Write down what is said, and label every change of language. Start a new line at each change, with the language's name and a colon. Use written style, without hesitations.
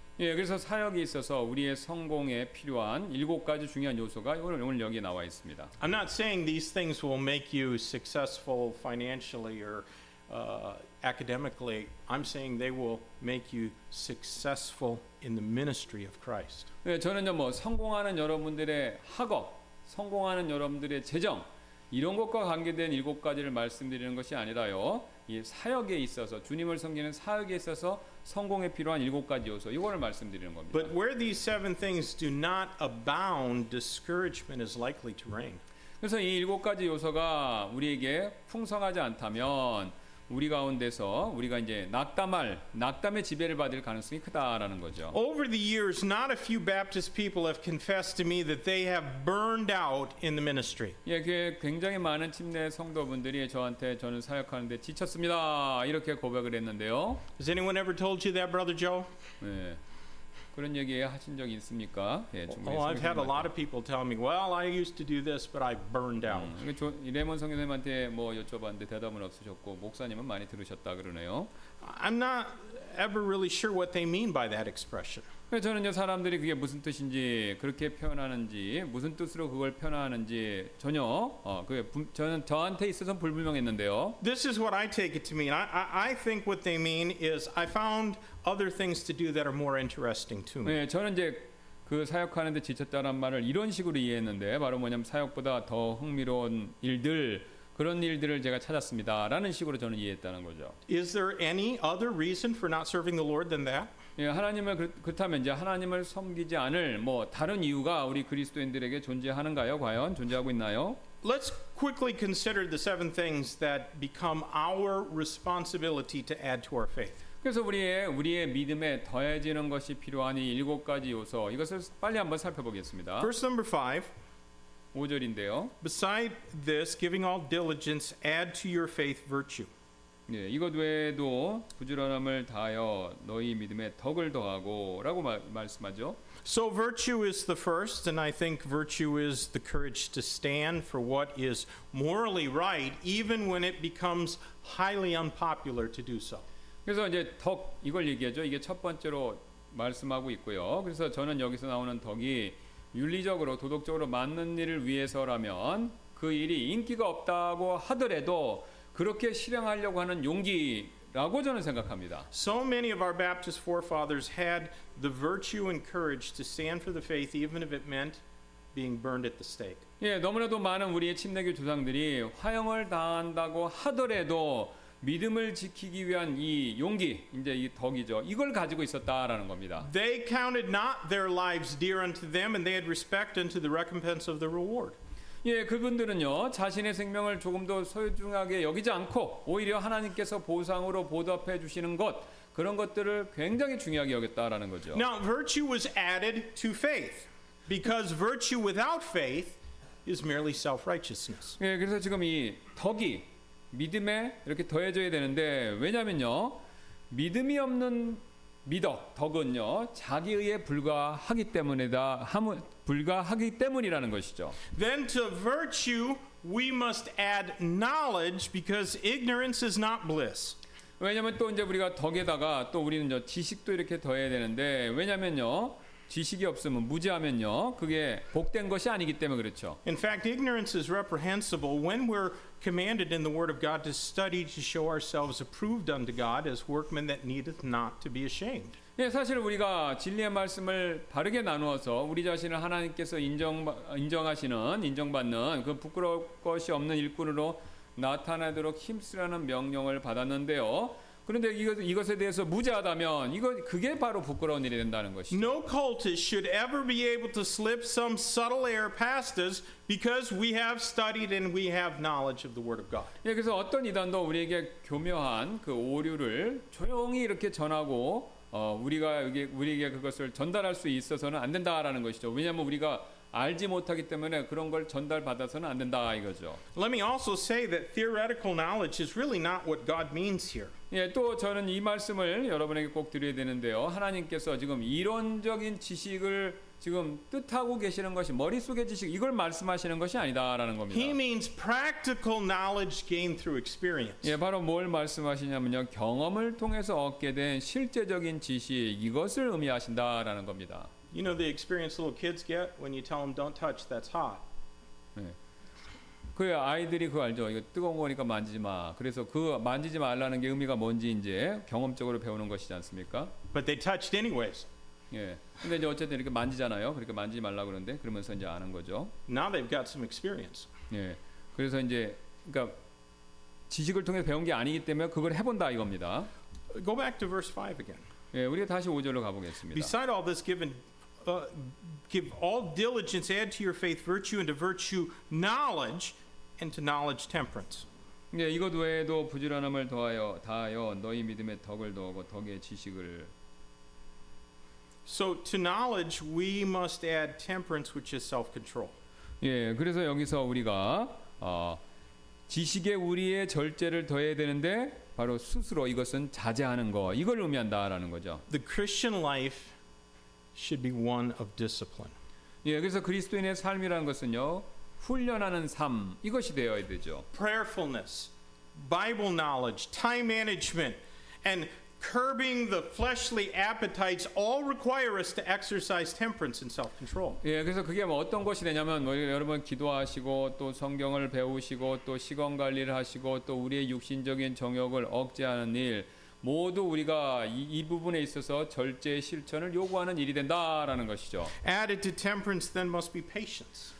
Korean: 예, 그래서 사역에 있어서 우리의 성공에 필요한 일곱 가지 중요한 요소가 오늘 여기 나와 있습니다.
English: I'm not saying these things will make you successful financially or academically, I'm saying they will make you successful in the ministry of Christ.
Korean: 네, 저는요 뭐 성공하는 여러분들의 학업, 성공하는 여러분들의 재정 이런 것과 관계된 일곱 가지를 말씀드리는 것이 아니라요. 이 사역에 있어서 주님을 섬기는 사역에 있어서 성공에 필요한 일곱 가지 요소 이거를 말씀드리는 겁니다.
English: But where these seven things do not abound, discouragement is likely to reign.
Korean: 그래서 이 일곱 가지 요소가 우리에게 풍성하지 않다면 우리 가운데서 우리가 이제 낙담의 지배를 받을 가능성이 크다라는 거죠.
English: Over the years, not a few Baptist people have confessed to me that they have burned out in the ministry.
Korean: 예, 굉장히 많은 침례 성도분들이 저한테 저는 사역하는데 지쳤습니다 이렇게 고백을 했는데요.
English: Has anyone ever told you that, Brother Joe?
Korean: 예, 그런 얘기 하신 적 있습니까? 예, 중국에서.
English: Oh, I've had a lot of people tell me, well, I used to do this, but I burned out.
Korean: 레몬 성교사님한테 뭐 여쭤봤는데 대답은 없으셨고 목사님은 많이 들으셨다 그러네요.
English: I'm not ever really sure what they mean by that expression.
Korean: 저는요 사람들이 그게 무슨 뜻인지 그렇게 표현하는지 무슨 뜻으로 그걸 표현하는지 전혀 저는 저한테 있어서 불분명했는데요.
English: This is what I take it to mean. I think what they mean is I found other things to do that are more interesting to me.
Korean: 네, 저는 이제 그 사역하는데 지쳤다는 말을 이런 식으로 이해했는데 바로 뭐냐면 사역보다 더 흥미로운 일들 그런 일들을 제가 찾았습니다라는 식으로 저는 이해했다는 거죠.
English: Is there any other reason for not serving the Lord than that?
Korean: 예, 하나님을 그렇다면 이제 하나님을 섬기지 않을 뭐 다른 이유가 우리 그리스도인들에게 존재하는가요? 과연 존재하고 있나요?
English: Let's quickly consider the seven things that become our responsibility to add to our faith.
Korean: 그래서 우리의 믿음에 더해지는 것이 필요한 이 일곱 가지 요소 이것을 빨리 한번 살펴보겠습니다.
English: Verse number 5.
Korean: 5절인데요.
English: Beside this, giving all diligence, add to your faith virtue.
Korean: 네, 이것 외에도 부지런함을 다하여 너희 믿음에 덕을 더하고라고 말씀하죠.
English: So virtue is the first, and I think virtue is the courage to stand for what is morally right, even when it becomes highly unpopular to do so.
Korean: 그래서 이제 덕 이걸 얘기하죠. 이게 첫 번째로 말씀하고 있고요. 그래서 저는 여기서 나오는 덕이 윤리적으로 도덕적으로 맞는 일을 위해서라면 그 일이 인기가 없다고 하더라도 그렇게 실행하려고 하는 용기라고 저는 생각합니다.
English: So many of our Baptist forefathers had the virtue and courage to stand for the faith even if it meant being burned at the stake.
Korean: 예, 너무나도 많은 우리의 침례교 조상들이 화형을 당한다고 하더라도 믿음을 지키기 위한 이 용기, 이제 이 덕이죠. 이걸 가지고 있었다라는 겁니다.
English: They counted not their lives dear unto them and they had respect unto the recompense of the reward.
Korean: 예, 그분들은요. 자신의 생명을 조금도 소중하게 여기지 않고 오히려 하나님께서 보상으로 보답해 주시는 것 그런 것들을 굉장히 중요하게 여겼다라는 거죠.
English: Now virtue was added to faith because virtue without faith is merely self-righteousness.
Korean: 예, 그래서 지금 이 덕이 믿음에 이렇게 더해져야 되는데 왜냐면요. 믿음이 없는 믿어 덕은요 자기의에 불과하기 때문이다 불과하기 때문이라는 것이죠.
English: Then to virtue we must add knowledge because ignorance is not bliss.
Korean: 왜냐면 또 이제 우리가 덕에다가 또 우리는 이제 지식도 이렇게 더해야 되는데 왜냐면요 지식이 없으면 무지하면요 그게 복된 것이 아니기 때문에 그렇죠.
English: In fact, ignorance is reprehensible when we're commanded in the Word of God to study to show ourselves approved unto God as workmen that needeth not to be ashamed.
Korean: 예, 사실 우리가 진리의 말씀을 바르게 나누어서 우리 자신을 하나님께서 인정하시는 인정받는 그 부끄러울 것이 없는 일꾼으로 나타나도록 힘쓰라는 명령을 받았는데요. 그런데 이것에 대해서 무지하다면 이거 그게 바로 부끄러운 일이 된다는 것이죠.
English: No cultist should ever be able to slip some subtle error past us because we have studied and we have knowledge of the Word of God.
Korean: 예, 그래서 어떤 이단도 우리에게 교묘한 그 오류를 조용히 이렇게 전하고 우리에게 그것을 전달할 수 있어서는 안 된다라는 것이죠. 왜냐하면 우리가 알지 못하기 때문에 그런 걸 전달받아서는 안 된다 이거죠.
English: Let me also say that theoretical knowledge is really not what God means here.
Korean: 예, 또 저는 이 말씀을 여러분에게 꼭 드려야 되는데요. 하나님께서 지금 이론적인 지식을 지금 뜻하고 계시는 것이 머릿속의 지식 이걸 말씀하시는 것이 아니다라는 겁니다.
English: He means practical knowledge gained through experience.
Korean: 예, 바로 뭘 말씀하시냐면요. 경험을 통해서 얻게 된 실제적인 지식 이것을 의미하신다라는 겁니다.
English: You know the experience little kids get when you tell them don't touch, that's hot.
Korean: 그 아이들이 그거 알죠. 이거 뜨거운 거니까 만지지 마. 그래서 그 만지지 말라는 게 의미가 뭔지 이제 경험적으로 배우는 것이지 않습니까?
English: But they touched anyways.
Korean: 예. 근데 이제 어쨌든 이렇게 만지잖아요. 그렇게 만지지 말라고 그러는데 그러면서 이제 아는 거죠.
English: Now they've got some experience.
Korean: 예. 그래서 이제 그러니까 지식을 통해서 배운 게 아니기 때문에 그걸 해 본다 이겁니다.
English: Go back to verse 5 again.
Korean: 예, 우리가 다시 5절로 가보겠습니다.
English: Beside all this given give all diligence, add to your faith virtue, and to virtue knowledge, and to knowledge temperance.
Korean: 예, 이것 외에도 부지런함을 더하여 너희 믿음에 덕을 더하고 덕에 지식을.
English: So to knowledge we must add temperance, which is self-control.
Korean: 예, 그래서 여기서 우리가 지식에 우리의 절제를 더해야 되는데 바로 스스로 이것은 자제하는 거 이걸 의미한다라는 거죠.
English: The Christian life should be one of discipline.
Korean: 예, 그래서 그리스도인의 삶이라는 것은요. 훈련하는 삶 이것이 되어야 되죠.
English: Prayerfulness, Bible knowledge, time management and curbing the fleshly appetites all require us to exercise temperance and self-control.
Korean: 예, 그래서 그게 뭐 어떤 것이 되냐면 여러분 기도하시고 또 성경을 배우시고 또 시간 관리를 하시고 또 우리의 육신적인 정욕을 억제하는 일 모두 우리가 이 부분에 있어서 절제의 실천을 요구하는 일이 된다라는 것이죠.
English: Added to temperance then must be patience.